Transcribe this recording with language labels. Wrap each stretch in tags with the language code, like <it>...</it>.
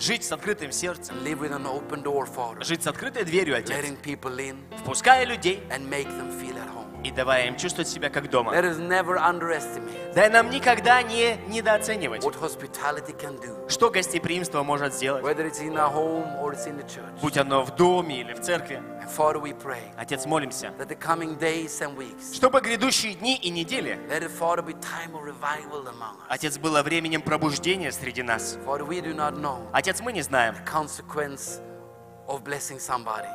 <ru>жить с открытым сердцем.</ru> <en>Live with an open door, Father,</en> <ru>жить с открытой дверью, Отец.</ru> <en>Letting people in,</en> <ru>впуская людей.</ru> <en>And make them feel at home.</en> <ru>И давая им чувствовать себя как дома.</ru> <en>Let us never underestimate,</en> <ru>дай нам никогда не недооценивать,</ru> <en>what hospitality can do,</en> <ru>что гостеприимство может сделать,</ru> <en>whether it's in a home or it's in the church,</en> <ru>будь оно в доме или в церкви.</ru> <en>And Father, we pray,</en> <ru>Отец, молимся,</ru> <en>that the coming days and weeks,</en> <ru>чтобы грядущие дни и недели,</ru> <en>let it, Father, be time of revival among us,</en> <ru>Отец, было временем пробуждения среди нас.</ru> <en>Father, we do not know,</en> <ru>Отец, мы не знаем,</ru> <en>the consequence of blessing somebody.</en>